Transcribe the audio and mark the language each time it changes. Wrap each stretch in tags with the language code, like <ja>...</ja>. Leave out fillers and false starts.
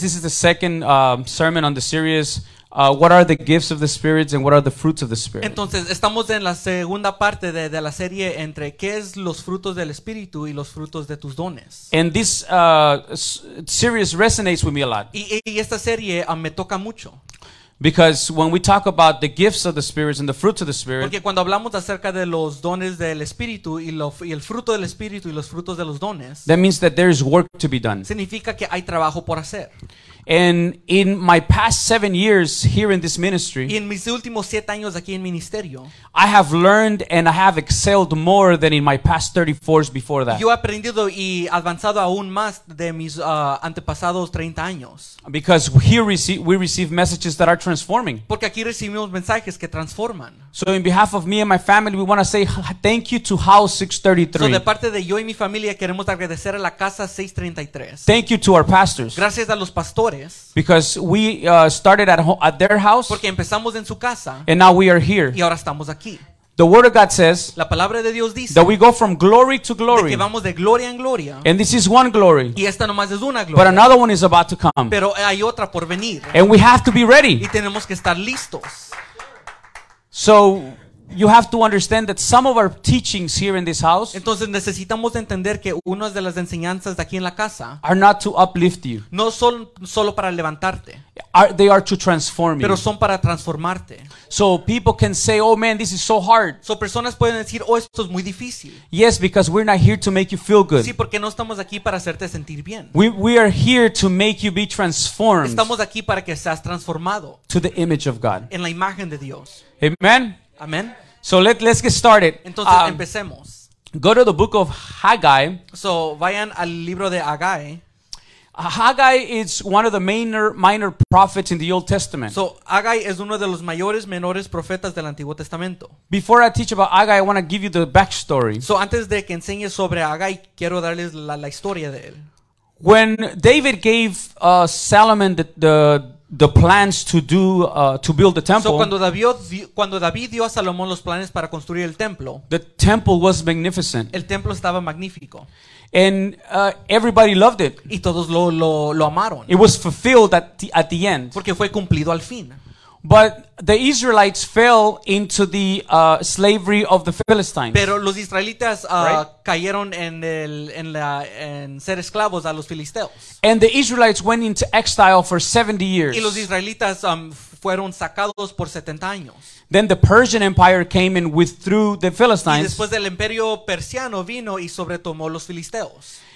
<en>This is the second sermon on the series. What are the gifts of the spirits and what are the fruits of the spirit?</en> <es>Entonces estamos en la segunda parte de la serie entre qué es los frutos del espíritu y los frutos de tus dones.</es> <en>And this series resonates with me a lot.</en> <es>Y esta serie me toca mucho.</es> <en>Because when we talk about the gifts of the spirits and the fruits of the spirit,</en> <es>porque cuando hablamos acerca de los dones del espíritu y el fruto del espíritu y los frutos de los dones,</es> <en>that means that there is work to be done.</en> <es>Significa que hay trabajo por hacer.</es> <en>And in my past 7 years here in this ministry,</en> <es>y en mis últimos 7 años aquí en ministerio,</es> <en>I have learned and I have excelled more than in my past 34s before that.</en> <es>Yo he aprendido y avanzado aún más de mis antepasados 30 años.</es> <en>Because here we receive messages that are transforming.</en> <es>Porque aquí recibimos mensajes que transforman.</es> <en>So in behalf of me and my family, we want to say thank you to House 633.</en> <es>So de parte de yo y mi familia queremos agradecer a la casa 633.</es> <en>Thank you to our pastors.</en> <es>Gracias a los pastores.</es> <en>Because we started at their house.</en> <es>Porque empezamos en su casa.</es> <en>And now we are here.</en> <es>Y ahora estamos aquí.</es> <en>The word of God says.</en> <es>La palabra de Dios dice.</es> <en>That we go from glory to glory.</en> <es>De que vamos de gloria en gloria.</es> <en>And this is one glory.</en> <es>Y esta nomás es una gloria.</es> <en>But another one is about to come.</en> <es>Pero hay otra por venir.</es> <en>And we have to be ready.</en> <es>Y tenemos que estar listos.</es> <en>So you have to understand that some of our teachings here in this house.</en> <es>Entonces necesitamos entender que unas de las enseñanzas de aquí en la casa</es> <en>are not to uplift you.</en> <es>No son solo para levantarte.</es> <en>They are to transform you.</en> <es>Pero son para transformarte.</es> <en>So people can say, "Oh man, this is so hard."</en> <es>So personas pueden decir, "Oh, esto es muy difícil."</es> <en>Yes, because we're not here to make you feel good.</en> <es>Sí, porque no estamos aquí para hacerte sentir bien.</es> <en>We are here to make you be transformed.</en> <es>Estamos aquí para que seas transformado.</es> <en>To the image of God.</en> <es>En la imagen de Dios.</es> <en>Amen.</en> <es>Amen.</es> <en>So let's get started.</en> <es>Entonces empecemos.</es> <en>Go to the book of Haggai.</en> <es>So vayan al libro de Haggai.</es> <en>Haggai is one of the minor prophets in the Old Testament.</en> <es>So Haggai es uno de los mayores menores profetas del Antiguo Testamento.</es> <en>Before I teach about Haggai, I want to give you the backstory.</en> <es>So antes de que enseñe sobre Haggai, quiero darles la historia de él.</es> <en>When David gave Solomon the plans to do to build the temple.</en> <es>So cuando David dio a Salomón los planes para construir el templo.</es> <en>The temple was magnificent.</en> <es>El templo estaba magnífico.</es> <en>And everybody loved it.</en> <es>Y todos lo amaron.</es> <en>It was fulfilled at the end.</en> <es>Porque fue cumplido al fin.</es> <en>But the Israelites fell into the slavery of the Philistines.</en> <es>Pero los israelitas cayeron en ser esclavos a los filisteos.</es> <en>And the Israelites went into exile for 70 years.</en> <es>Y los israelitas fueron sacados por 70 años.</es> <en>Then the Persian Empire came and withdrew the Philistines.</en> <es>Y después el imperio persiano vino y sobretomó los filisteos.</es>